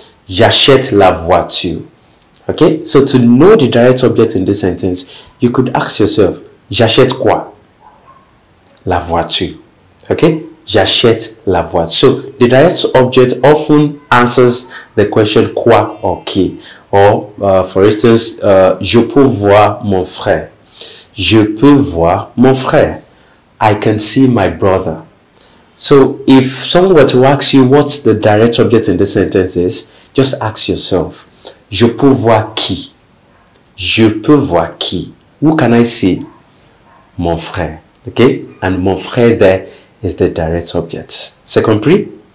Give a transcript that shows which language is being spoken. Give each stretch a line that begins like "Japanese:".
French: J'achète la voiture.
English: Okay, so to know the direct object in this sentence, you could ask yourself,
French: j'achète quoi? La voiture.
English: Okay?
French: J'achète la voiture.
English: So, the direct object often answers the question quoi or qui. Or, for instance,
French: je peux voir mon frère. Je peux voir mon frère.
English: I can see my brother. So, if someone were to ask you what the direct object in this sentence is, just ask yourself,
French: je peux voir qui? Je peux voir qui?
English: Who can I see?
French: Mon frère.
English: Okay, and
French: mon frère
English: there is the direct object.
French: Second prix?